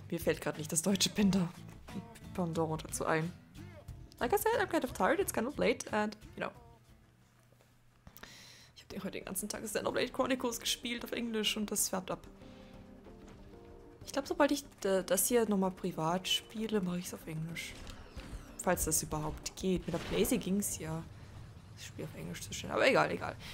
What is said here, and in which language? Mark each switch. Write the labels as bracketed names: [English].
[German] Mir fällt gerade nicht das deutsche Pendant dazu ein. [English] Like I said, I'm kind of tired, it's kind of late, and, you know. [German] Ich habe heute den ganzen Tag Xenoblade Chronicles gespielt auf Englisch und das färbt ab. Ich glaube, sobald ich das hier nochmal privat spiele, mache ich es auf Englisch. Falls das überhaupt geht. Mit der Blazy ging es ja. Ich spiele auf Englisch zu schnell, aber egal, egal.